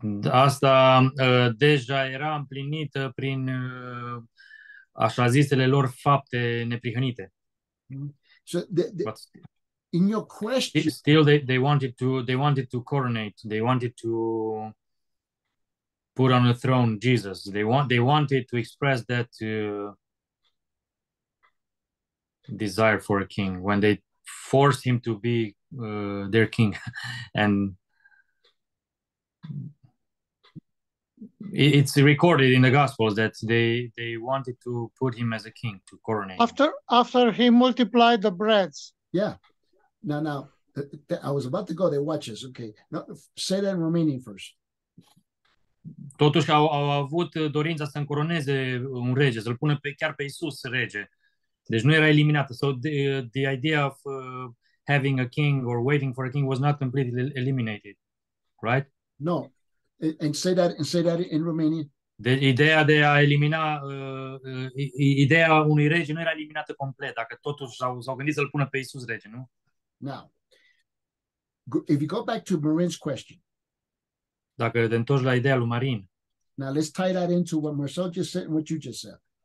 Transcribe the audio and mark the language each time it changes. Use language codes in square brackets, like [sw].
[ro] Asta deja era împlinită prin așa zisele lor fapte neprihănite. [en] So in your question, still they wanted to coronate, they wanted to put on the throne Jesus. They wanted to express that desire for a king when they forced him to be their king. And it's recorded in the Gospels that they wanted to put him as a king, to coronate after he multiplied the breads. Yeah. Now, I was about to go there. Watch this. Okay. Now, say that in Romanian first. [ro] Totuși au avut dorința să încoroneze un rege, să-l pună chiar pe Iisus rege. Deci nu era eliminată. [en] So the idea of having a king or waiting for a king was not completely eliminated, right? No. And say that in Romanian. [ro] De ideea de a elimina ideea unui rege nu era eliminată complet, dacă totuși s-au gândit să-l pună pe Iisus rege, nu? [en] Now, if you go back to Marin's question. [ro] Dacă te întorci la ideea lui Marin. [en] Now let's tie that into what Marcel just said and what you just said.